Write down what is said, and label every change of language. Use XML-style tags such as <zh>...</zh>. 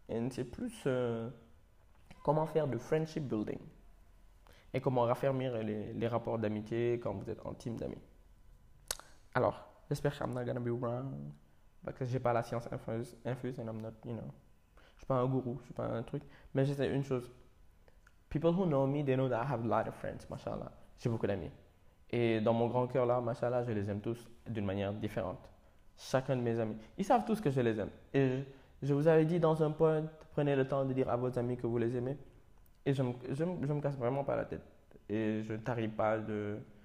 <fr>C'est plus comment faire du friendship building. Et comment raffermir les rapports d'amitié quand vous êtes en team d'amis. Alors, j'espère que</fr> <en>I'm not gonna be wrong.</en> <fr>Parce que je n'ai pas la science infuse</fr> <en>and I'm not, you know.</en> <fr>Je ne suis pas un gourou, je ne suis pas un truc. Mais j'essaie une chose.</fr> <en>People who know me, they know that I have a lot of friends, mashallah.</en> <fr>J'ai beaucoup d'amis. Et dans mon grand cœur, là, mashallah, je les aime tous d'une manière différente. Chacun de mes amis. Ils savent tous que je les aime. Et je vous avais dit dans un point, prenez le temps de dire à vos amis que vous les aimez. Et je me casse vraiment pas la tête. Et je ne tarie pas de.</fr>